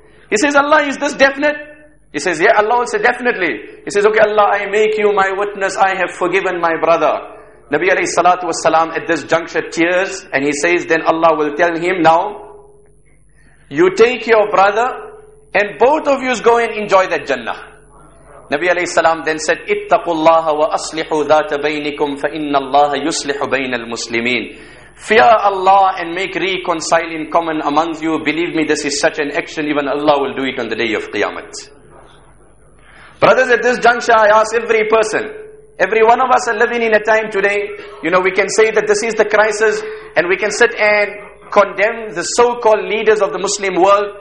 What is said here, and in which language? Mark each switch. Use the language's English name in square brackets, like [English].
[English] He says, Allah, is this definite? He says, yeah, Allah will say, definitely. He says, okay, Allah, I make you my witness. I have forgiven my brother. Nabi alayhi salatu wasalam at this juncture tears and he says, then Allah will tell him, now you take your brother and both of you go and enjoy that Jannah. Nabi alayhi salam then said, [Arabic] اتقوا الله وأصلحوا ذات بينكم فإن الله يصلح بين المسلمين. [English] Fear Allah and make reconcile in common amongst you. Believe me, this is such an action, even Allah will do it on the day of Qiyamah. Brothers, at this juncture, I ask every person, every one of us are living in a time today, you know, we can say that this is the crisis, and we can sit and condemn the so-called leaders of the Muslim world.